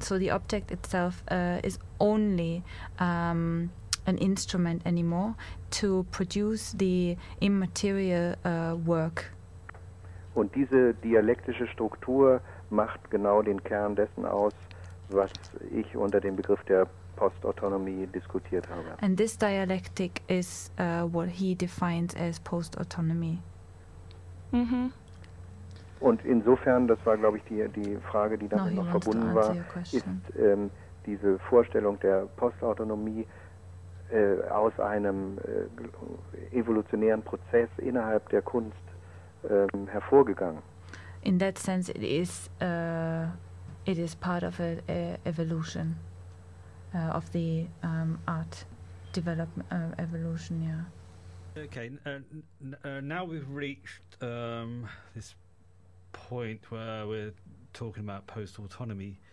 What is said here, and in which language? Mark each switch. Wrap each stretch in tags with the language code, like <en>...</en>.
<en>So the object itself is only an instrument anymore to produce the immaterial work.</en> <de>Und diese dialektische Struktur macht genau den Kern dessen aus, was ich unter dem Begriff der Post-Autonomy diskutiert habe.</de> <en>And this dialectic is what he defines as post-autonomy. Mm-hmm.</en> <de>Und insofern, das war, glaube ich, die Frage, die damit noch verbunden war, ist diese Vorstellung der Postautonomie aus einem evolutionären Prozess innerhalb der Kunst hervorgegangen.</de> <en>In that sense, it is part of an evolution of the art development evolution. Yeah. Okay. Now we've reached this point where we're talking about post-autonomy.</en>